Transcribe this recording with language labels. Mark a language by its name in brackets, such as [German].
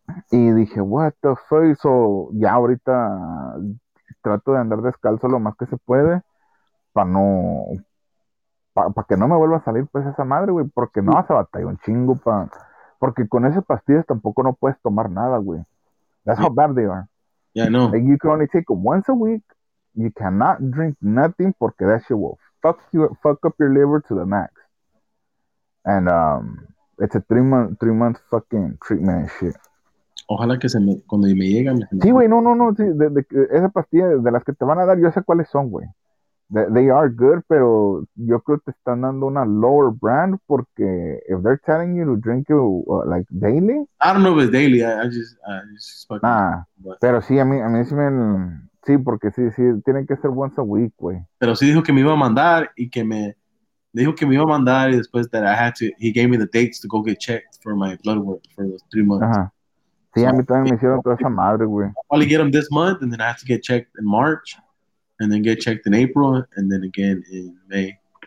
[Spanish] Y dije, [English] what the fuck, [Spanish] so ya ahorita trato de andar descalzo lo más que se puede para que no me vuelva a salir pues esa madre, güey, porque no, se batalló un chingo, porque con esas pastillas tampoco no puedes tomar nada, güey. [English] That's how bad they are. Yeah, I know. Like, you can only take it once a week, you cannot drink nothing, porque that shit will fuck up your liver to the max. And it's a three month fucking treatment and shit. [Spanish] Ojalá que se me, cuando me llega. Sí, güey, no, sí, de esa pastilla de las que te van a dar, yo sé cuáles son, güey. [English] They are good, [Spanish] pero yo creo que te están dando una [English] lower brand, porque if they're telling you to drink it, like, daily. I don't know if it's daily, I just [Spanish] nah, pero sí, a mí sí me, sí, porque sí, tienen que ser [English] once a week, [Spanish] güey. Pero sí dijo que me iba a mandar y después [English] that I had to, he gave me the dates to go get checked for my blood work for those 3 months. [Spanish] Ajá. Sí, a mí también me hicieron toda esa madre, güey. [English] I'll probably get them this month, and then I have to get checked in March, and then get checked in April, and then again in May.